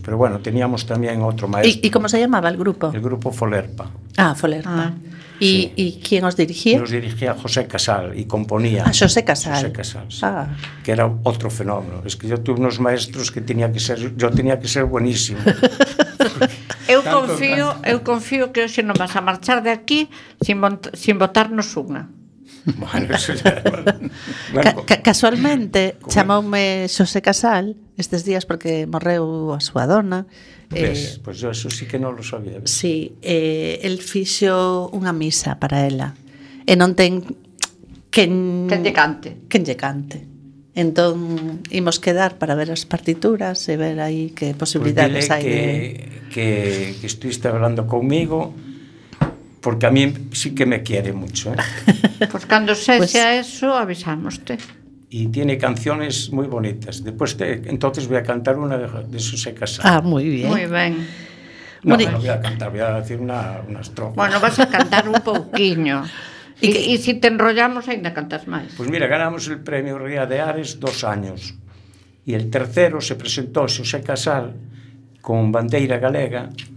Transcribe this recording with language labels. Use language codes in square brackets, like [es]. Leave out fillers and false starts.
[es] Pero bueno, teníamos también otro maestro. ¿Y cómo se llamaba el grupo? El grupo Folerpa. Ah, Folerpa. Ah. ¿Y quién os dirigía? Nos dirigía José Casal y componía. Ah, José Casal. José Casal, sí. Ah. Que era otro fenómeno. Es que yo tuve unos maestros que tenía que ser, yo tenía que ser buenísimo. [gl] Eu confío que hoxe non vas a marchar de aquí sin botarnos unha. [es] Bueno, eso ya... [gl] Casualmente, chamoume Xosé Casal estes días porque morreu a súa dona. [es] Pues yo eso sí que non lo sabía. [gl] Sí, el fixo unha misa para ela. E non ten... Quen lle cante. Entón, imos quedar para ver as partituras e ver aí que posibilidades [es] pues [gl] hai. [es] Que estuviste hablando conmigo, porque a mí sí que me quiere mucho. [gl] Pues cando se sea eso, avisámoste. [es] Y tiene canciones muy bonitas. Después entonces voy a cantar una de Xosé Casal. Ah, muy bien. Muy bien. No, bueno, voy a cantar, voy a decir una estrofa. Bueno, vas a cantar un poquinho. Y si te enrollamos, [gl] ainda cantas máis. [es] Pues mira, ganamos el premio Ría de Ares 2 años. Y el tercero se presentó Xosé Casal con bandeira galega.